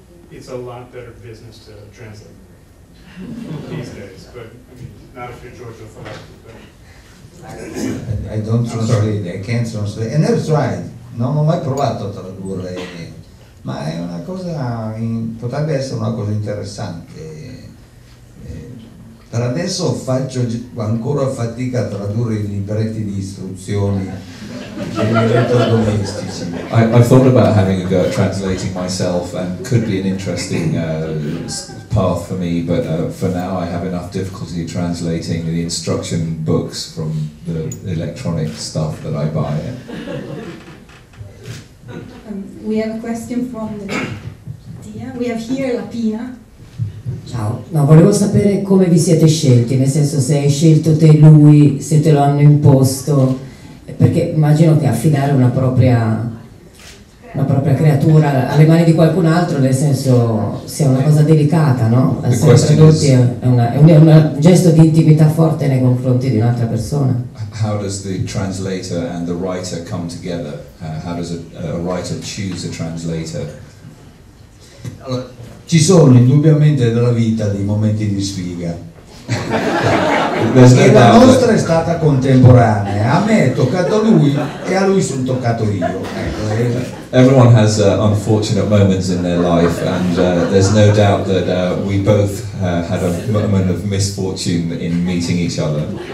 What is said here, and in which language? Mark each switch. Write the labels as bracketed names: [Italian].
[English] It's a lot better business to translate these days, but not if you're Giorgio Faletti. I don't translate, I can't translate. And that's right. [Italian] Non ho mai provato a tradurre, ma è una cosa, potrebbe essere una cosa interessante. Per adesso faccio ancora fatica a tradurre i libretti di istruzioni elettrodomestici. [English] I thought about having a go at translating myself and could be an interesting path for me, but for now I have enough difficulty translating the instruction books from the electronic stuff that I buy. We have a question from Tia. We have here La Pia. [Italian] Ciao, ma volevo sapere come vi siete scelti, nel senso se hai scelto te lui, se te lo hanno imposto, perché immagino che affidare una propria creatura alle mani di qualcun altro, nel senso, sia una cosa delicata, no? È un gesto di intimità forte nei confronti di un'altra persona. [English] How does the translator and the writer come together? How does a writer choose a translator? [Italian] Allora, ci sono indubbiamente nella vita dei momenti di sfiga. La nostra è stata contemporanea, a me è toccato lui e a lui sono toccato io. [English] Everyone has unfortunate moments in their life, and there's no doubt that we both had a moment of misfortune in meeting each other.